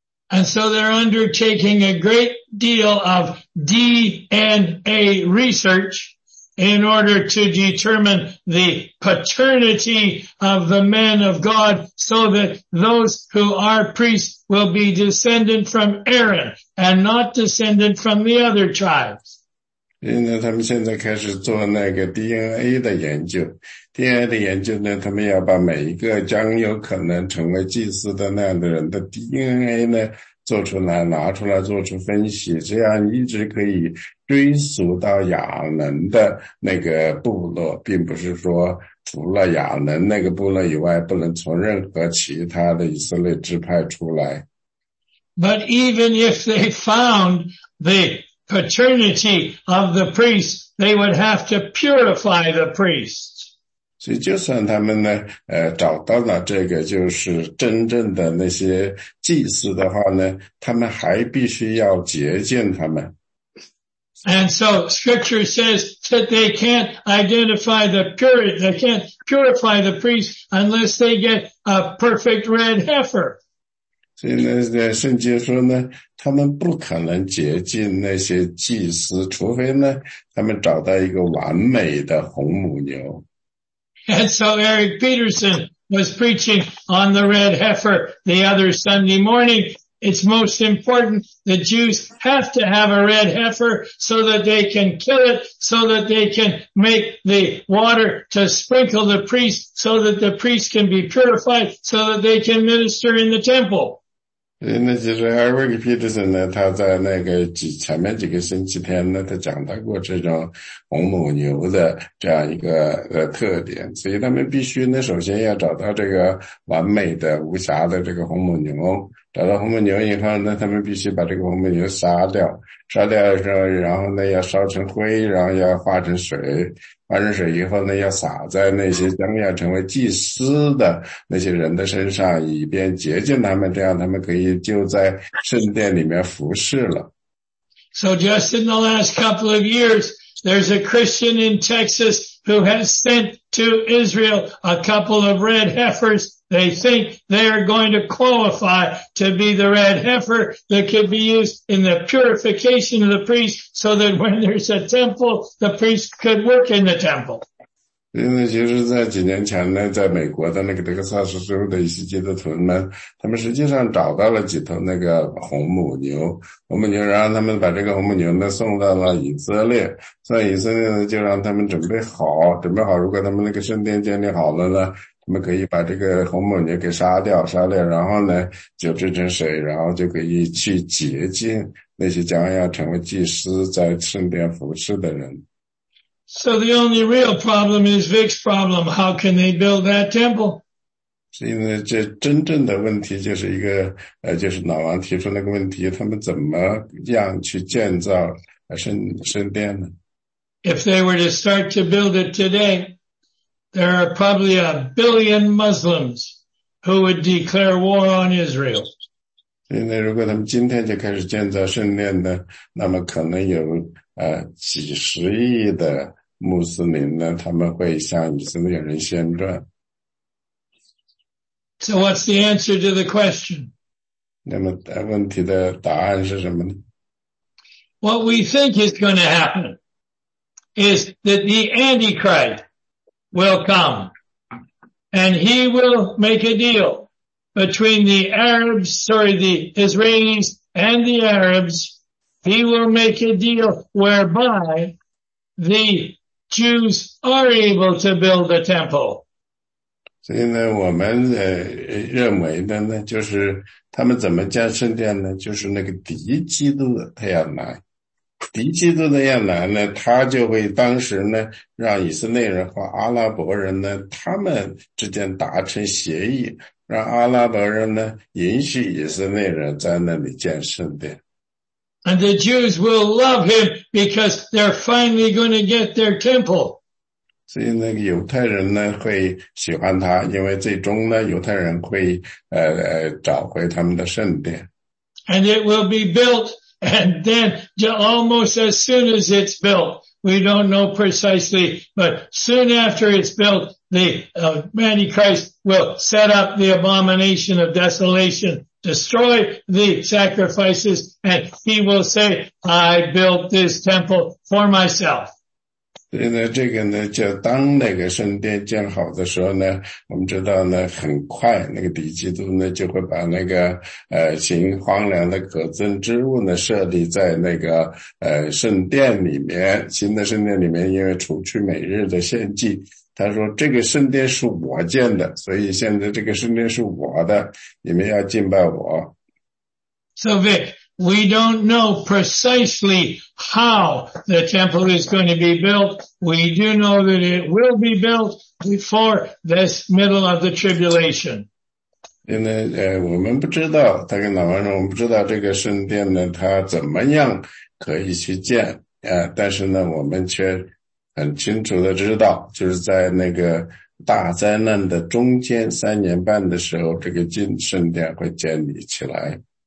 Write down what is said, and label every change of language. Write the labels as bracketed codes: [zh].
[en] And so they're undertaking a great deal of DNA research in order to determine the paternity of the men of God so that those who are priests will be descendant from Aaron and not descendant from the other tribes. [zh] 因为他们现在开始做那个 DNA 的研究。 DNA 的研究呢，他们要把每一个将有可能成为祭司的那样的人的 DNA 呢，做出来，拿出来做出分析，这样一直可以追溯到亚伦的那个部落，并不是说除了亚伦那个部落以外，不能从任何其他的以色列支派出来。 [en] But even if they found the paternity of the priests, they would have to purify the priests. [zh] 所以就算他们呢找到了这个就是真正的那些祭司的话呢，他们还必须要洁净他们。 [en] And so scripture says that they can't identify the purity, they can't purify the priest unless they get a perfect red heifer. [zh] 所以呢圣经说呢，他们不可能洁净那些祭司，除非呢他们找到一个完美的红母牛。 [en] And so Eric Peterson was preaching on the red heifer the other Sunday morning. It's most important that Jews have to have a red heifer so that they can kill it, so that they can make the water to sprinkle the priest, so that the priest can be purified, so that they can minister in the temple. [zh] 那就是 Eric Peterson 呢，他在那个前面几个星期天呢，他讲到过这种红母牛的这样一个特点，所以他们必须呢，首先要找到这个完美的无瑕的这个红母牛。找到红母牛以后呢，他们必须把这个红母牛杀掉，杀掉的时候，然后呢要烧成灰，然后要化成水，化成水以后呢要撒在那些将要成为祭司的那些人的身上，以便洁净他们，这样他们可以就在圣殿里面服侍了。 [en] So just in the last couple of years, there's a Christian in Texas who has sent to Israel a couple of red heifers. They think they're going to qualify to be the red heifer that could be used in the purification of the priest so that when there's a temple, the priest could work in the temple. [zh] 因为其实在几年前呢，在美国的那个德克萨斯州的一些基督徒们，他们实际上找到了几头那个红母牛，红母牛，然后他们把这个红母牛呢送到了以色列，在以色列呢就让他们准备好，准备好如果他们那个圣殿建立好了呢，我们可以把这个红母牛给杀掉，杀掉，然后呢，就制成水，然后就可以去洁净那些将要成为祭司在圣殿服侍的人。 [en] So the only real problem is Vic's problem. How can they build that temple? [zh] 所以呢，这真正的问题就是一个就是老王提出那个问题，他们怎么样去建造圣殿呢？ [en] If they were to start to build it today,There are probably a billion Muslims who would declare war on Israel. [zh] 现在如果他们今天就开始建造圣殿呢，那么可能有几十亿的穆斯林呢，他们会向以色列人宣战。 [en] So what's the answer to the question? [zh] 那么问题的答案是什么呢？ [en] What we think is going to happen is that the Antichrist. Will come. And he will make a deal between the Israelis and the Arabs. He will make a deal whereby the Jews are able to build a temple. [zh] 所以呢我们认为的呢就是他们怎么建圣殿呢就是那个敌基督他要来。敌基督的要来呢，他就会当时呢，让以色列人和阿拉伯人呢，他们之间达成协议，让阿拉伯人呢，允许以色列人在那里建圣殿。 [en] And the Jews will love him because they're finally going to get their temple. [zh] 所以那个犹太人呢会喜欢他，因为最终呢犹太人会找回他们的圣殿。 [en] And it will be built, and then almost as soon as it's built, we don't know precisely, but soon after it's built, the Antichrist will set up the abomination of desolation. Destroy the sacrifices, and he will say, I built this temple for myself. [zh] 所以呢这个呢就当那个圣殿建好的时候呢我们知道呢很快那个敌基督呢就会把那个行荒凉的可憎之物呢设立在那个圣殿里面新的圣殿里面因为除去每日的献祭。他说这个圣殿是我建的所以现在这个圣殿是我的你们要敬拜我。 [en] So Vic, we don't know precisely how the temple is going to be built. We do know that it will be built before this middle of the tribulation. [zh] 因为我们不知道他跟老王说我们不知道这个圣殿呢他怎么样可以去建但是呢我们却很清楚的知道就是在那个大灾难的中间三年半的时候这个圣殿会建立起来。